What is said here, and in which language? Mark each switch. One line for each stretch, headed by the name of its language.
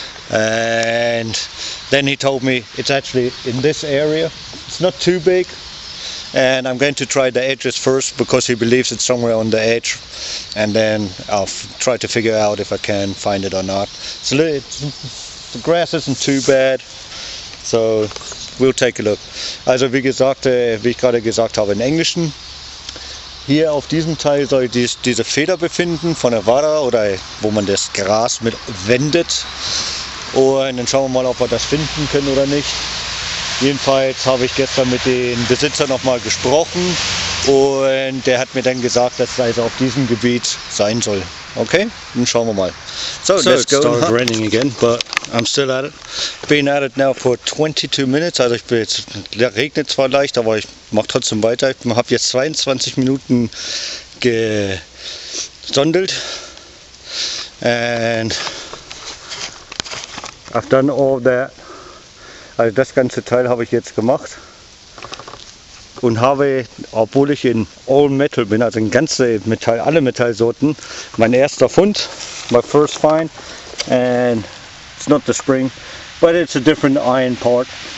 English: And then he told me it's actually in this area. It's not too big, And I'm going to try the address first because he believes it's somewhere on the edge. And then I'll try to figure out if I can find it or not. The grass isn't too bad, so we'll take a look.
German: Also wie ich gerade gesagt habe, in Englischen. Hier auf diesem Teil soll diese Feder befinden von der Vara oder wo man das Gras mit wendet. Und dann schauen wir mal, ob wir das finden können oder nicht. Jedenfalls habe ich gestern mit dem Besitzer nochmal gesprochen und der hat mir dann gesagt, dass es also auf diesem Gebiet sein soll. Okay, dann schauen wir mal.
English: So let's go. It started raining again, but I'm still at it. Been at it now for 22 minutes.
German: Also ich bin jetzt, regnet zwar leicht, aber ich mache trotzdem weiter. Ich habe jetzt 22 Minuten gesondelt.
English: And I've done all that.
German: Also das ganze Teil habe ich jetzt gemacht und habe, obwohl ich in All Metal bin, also in ganze Metall, alle Metallsorten, mein erster Fund,
English: my first find, and it's not the spring, but it's a different iron part.